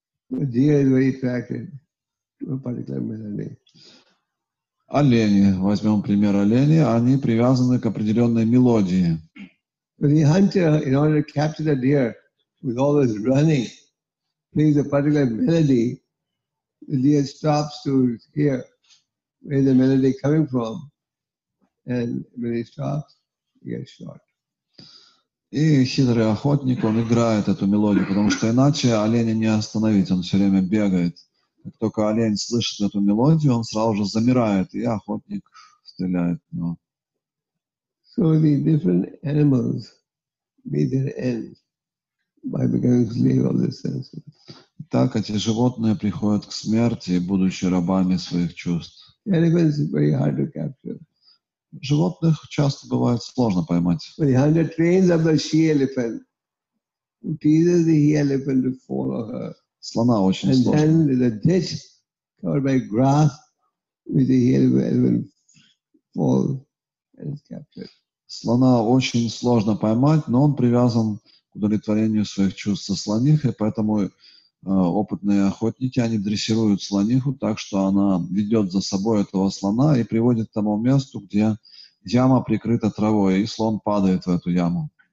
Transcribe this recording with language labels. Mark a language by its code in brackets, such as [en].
[en] The deer is very attracted to a particular melody. [ru] Олени, возьмем пример олени, они привязаны к определенной мелодии. [en] The hunter, in order to capture the deer, with all his running, plays a particular melody, the deer stops to hear where the melody is coming from, and when he stops, he gets shot. [ru] И хитрый охотник, он играет эту мелодию, потому что иначе оленя не остановить, он все время бегает. Как только олень слышит эту мелодию, он сразу же замирает, и охотник стреляет в него. [en] So the different animals meet their end by becoming slaves of their senses. [ru] Так эти животные приходят к смерти, будучи рабами своих чувств. [en] Elephants are very hard to capture. [ru] Животных часто бывает сложно поймать. [en] But the hunter trains up the she-elephant, and teases the he-elephant to follow her. [ru] Слона очень [en] and [ru] сложно. [en] And then there's a ditch covered by grass, which the he-elephant falls and is captured. [ru] Слона очень сложно поймать, но он привязан к удовлетворению своих чувств со слонихой, поэтому опытные охотники, они дрессируют слониху так, что она ведет за собой этого слона и приводит к тому месту, где яма прикрыта травой, и слон падает в эту яму.